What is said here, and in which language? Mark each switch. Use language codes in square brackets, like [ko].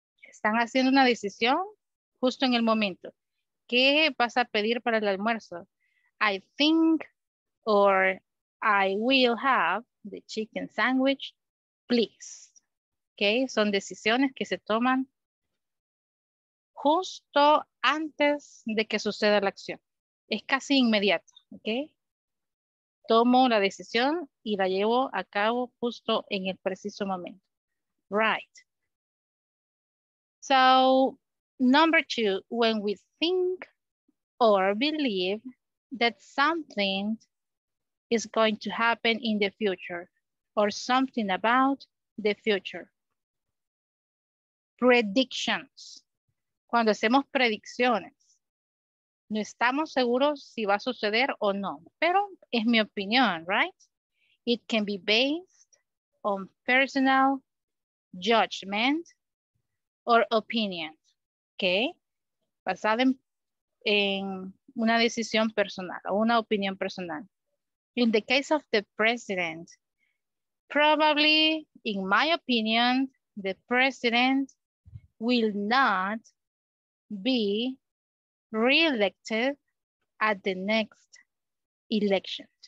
[es] Están haciendo una decisión justo en el momento. ¿Qué vas a pedir para el almuerzo? [en] I think or I will have the chicken sandwich, please. [es] Okay, son decisiones que se toman justo antes de que suceda la acción. Es casi inmediato, okay? Tomo la decisión y la llevo a cabo justo en el preciso momento. [en] Right. So, number 2, when we think or believe that something is going to happen in the future or something about the future. Predictions. [es] Cuando hacemos predicciones, no estamos seguros si va a suceder o no, pero es mi opinión, right? [en] It can be based on personal judgment or opinion, okay? [es] Basada en una decisión personal o una opinión personal. [en] In the case of the president, probably, in my opinion, the president will not be re-elected at the next election.